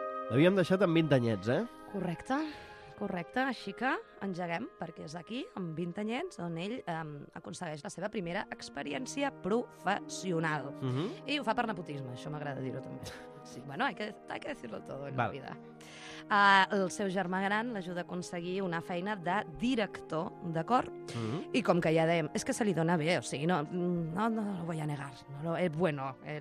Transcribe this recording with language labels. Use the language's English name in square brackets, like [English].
[Catalan] L'havíem deixat amb 20 anyets, eh? Correcte. Així que engeguem, perquè és aquí, amb 20 anyets, on ell aconsegueix la seva primera experiència professional. I ho fa per nepotisme, això m'agrada dir-ho també. [Spanish] Sí, bueno, hay que decirlo todo en la vida. [Catalan] El seu germà gran l'ajuda a aconseguir una feina de director, d'acord? I com que ja dèiem, és que se li dona bé, o sigui, [Spanish] no lo voy a negar. Es bueno.